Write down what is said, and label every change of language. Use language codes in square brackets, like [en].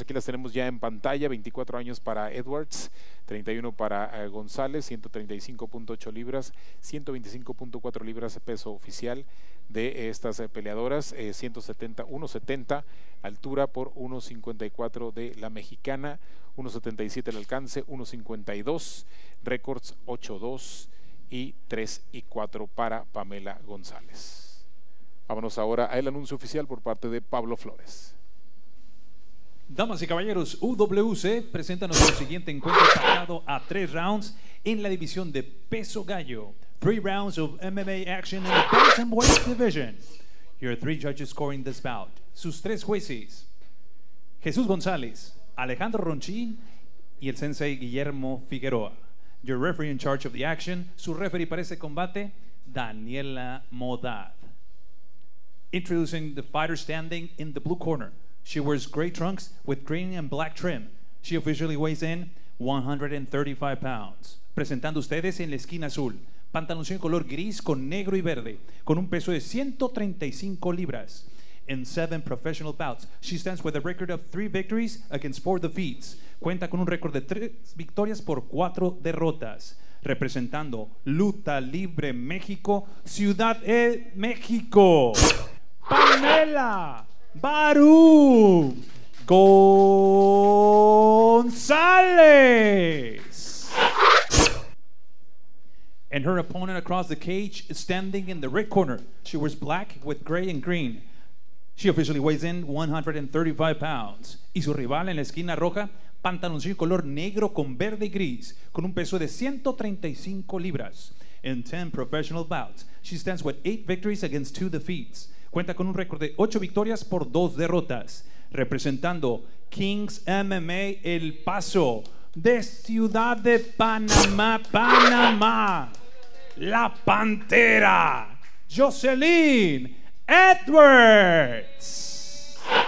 [es] Aquí las tenemos ya en pantalla: 24 años para Edwards, 31 para González, 135.8 libras, 125.4 libras de peso oficial de estas peleadoras, 170 altura por 1.54 de la mexicana, 1.77 el alcance, 1.52 récords, 8-2 y 3-4 para Pamela González. Vámonos ahora al anuncio oficial por parte de Pablo Flores. Damas y caballeros, UWC presenta nuestro siguiente encuentro pactado a 3 rounds en la división de peso gallo. [en] 3 rounds of MMA action in the bantamweight division. Your 3 judges scoring this bout. [es] Sus 3 jueces: Jesús González, Alejandro Ronchín y el sensei Guillermo Figueroa. [en] Your referee in charge of the action. [es] Su referee para este combate, [en] Daniela Modad. Introducing the fighter standing in the blue corner. She wears gray trunks with green and black trim. She officially weighs in 135 pounds. [es] Presentando ustedes en la esquina azul, pantalones en color gris con negro y verde, con un peso de 135 libras. [en] In 7 professional bouts, she stands with a record of 3 victories against 4 defeats. [es] Cuenta con un récord de 3 victorias por 4 derrotas. Representando Luta Libre México, Ciudad de México. Pamela Barú González. [en] And her opponent across the cage is standing in the red corner. She wears black with gray and green. She officially weighs in 135 pounds. [es] Y su rival en la esquina roja, pantaloncillo color negro con verde y gris, con un peso de 135 libras. [en] In 10 professional bouts, she stands with 8 victories against 2 defeats. [es] Cuenta con un récord de 8 victorias por 2 derrotas. Representando Kings MMA El Paso, de Ciudad de Panamá, Panamá, la Pantera, Jocelyn Edwards.